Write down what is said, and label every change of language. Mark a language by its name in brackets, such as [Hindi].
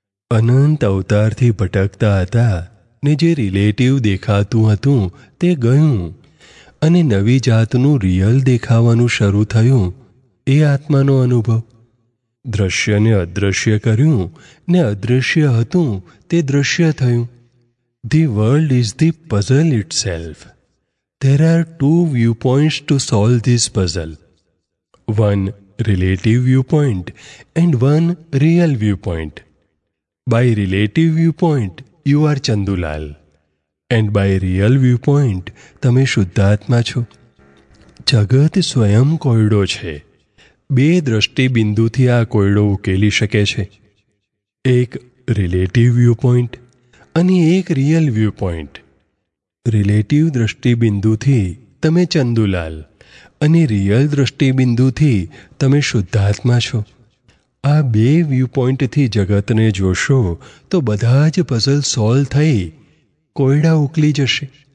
[Gujarati] અનંત અવતારથી ભટકતા હતા ને જે રિલેટિવ દેખાતું હતું તે ગયું અને નવી જાતનું રિયલ દેખાવાનું શરૂ થયું. એ આત્માનો અનુભવ. દ્રશ્યને અદૃશ્ય કર્યું ને અદૃશ્ય હતું તે દ્રશ્ય થયું. [English] The world is the puzzle itself. There are two viewpoints to solve this puzzle. One relative viewpoint and one real viewpoint. By relative viewpoint, you are Chandulal. And by real viewpoint, [Gujarati] તમે શુદ્ધાત્મા છો. જગત સ્વયં કોયડો છે. બે દ્રષ્ટિબિંદુથી આ કોયડો ઉકેલી શકે છે. એક [English] relative viewpoint [Gujarati] અને એક [English] real viewpoint. [Gujarati] રિલેટિવ દ્રષ્ટિબિંદુથી તમે ચંદુલાલ અને રિયલ દ્રષ્ટિબિંદુથી તમે શુદ્ધાત્મા છો. આ બે વ્યૂ પોઈન્ટથી જગતને જોશો તો બધા જ પઝલ સોલ્વ થઈ કોયડા ઉકલી જશે.